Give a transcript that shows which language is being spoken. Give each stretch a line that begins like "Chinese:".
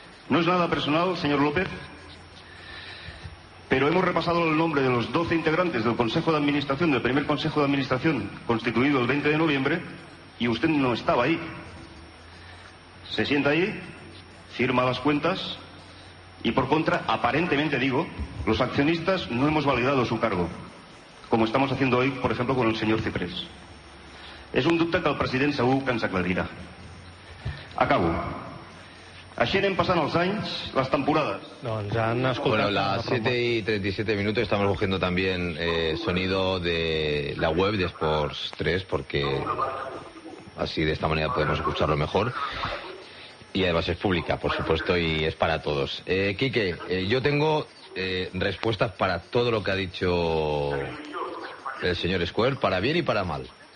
Spanish: No és nada personal, senyor López, pero hemos repasado el nombre de los 12 integrantes del Consejo de Administración, del primer Consejo de Administración, constituido el 20 de noviembre, y usted no estaba ahí. Se sienta ahí, firma las cuentas, y por contra, aparentemente digo, los accionistas no hemos validado su cargo, como estamos haciendo hoy, por ejemplo, con el señor Ciprés.
Catalan: Es un dubte que el president segur que ens aclarirà. Acabo. Així anem passant els anys, les temporades. Doncs han escoltat...
Spanish: Bueno, las 7 y 37 minutos, estamos cogiendo también sonido de la web de Sports 3, porque así de esta manera podemos escucharlo mejor. Y además es pública, por supuesto, y es para todos. Quique, yo tengo respuestas para todo lo que ha dicho el señor Square, para bien y para mal.